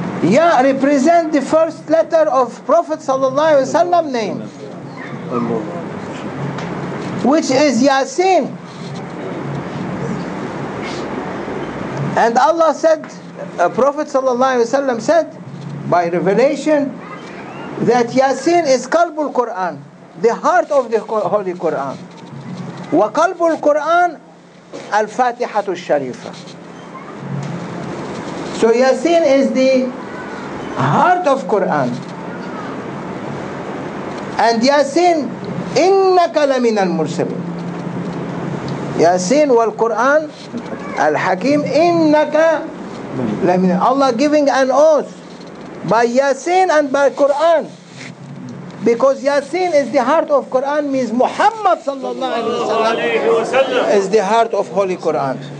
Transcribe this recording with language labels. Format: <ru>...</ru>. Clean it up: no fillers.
<en>Ya represent the first letter of Prophet sallallahu alaihi wasallam name, which is Yasin. And Allah said, Prophet sallallahu alaihi wasallam said by revelation that Yasin is Qalbul Quran, the heart of the Holy Quran.</en> <ar>وقلب القرآن الفاتحة الشريفة.</ar> <en>So Yasin is the heart of Quran.</en> <ar>And Yasin, إنك لمن المرسلين. Yasin wal Quran al Hakim, إنك لمن.</ar> <en>Allah giving an oath by Yasin and by Quran. Because Yasin is the heart of Quran, means Muhammad sallallahu alayhi wa sallam is the heart of Holy Quran.</en>